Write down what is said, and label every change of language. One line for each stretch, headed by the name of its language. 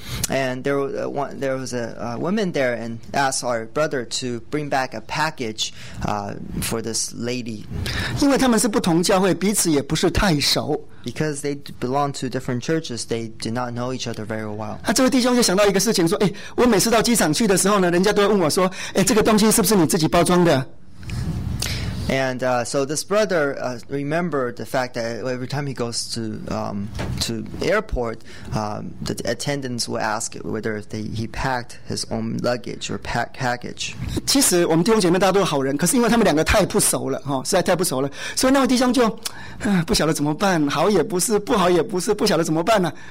English: And there was a woman there and asked our brother to bring back a package for this lady.
Chinese: 因为他们是不同教会，彼此也不是太熟。
English: Because they belong to different churches, they did not know each other very well.
Chinese: 这位弟兄就想到一个事情，说，我每次到机场去的时候呢，人家都会问我说，这个东西是不是你自己包装的？
English: And so this brother remembered the fact that every time he goes to airport, the attendants will ask whether he packed his own luggage or package.
Chinese: 其实我们弟兄姐妹大家都是好人，可是因为他们两个太不熟了，实在太不熟了，所以那位弟兄就不晓得怎么办，好也不是，不好也不是，不晓得怎么办呢。